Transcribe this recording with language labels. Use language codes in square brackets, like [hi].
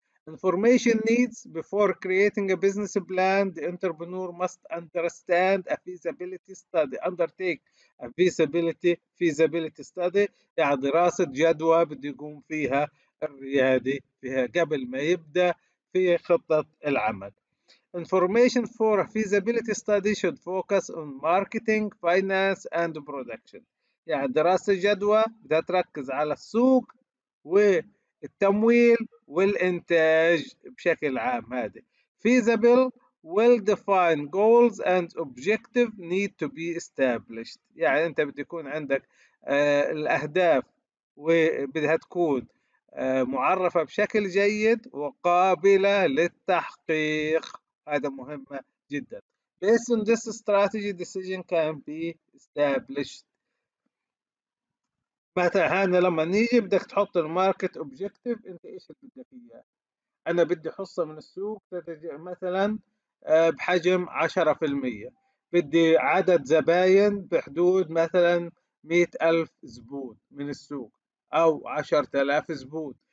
[en] Information needs before creating a business plan. The entrepreneur must understand a feasibility study. Undertake a feasibility study. [ar] يعني دراسة جدوى بده يقوم فيها الريادي فيها قبل ما يبدأ في خطة العمل. [en] Information for a feasibility study should focus on marketing, finance, and production. [ar] يعني دراسة جدوى بدها تركز على السوق والتمويل والإنتاج بشكل عام. هذه [en] feasible, well-defined goals and objective need to be established. [ar] يعني أنت بده يكون عندك الأهداف وبدها تكون معرفة بشكل جيد وقابلة للتحقيق. هذا مهمة جدا. [en] Based on this strategy, decision can be established. [ar] مثلا لما نيجي بدك تحط الماركت اوبجكتيف, انت ايش اللي بدك اياه؟ انا بدي حصة من السوق مثلا بحجم 10%, بدي عدد زباين بحدود مثلا 100,000 زبون من السوق او 10,000 زبون.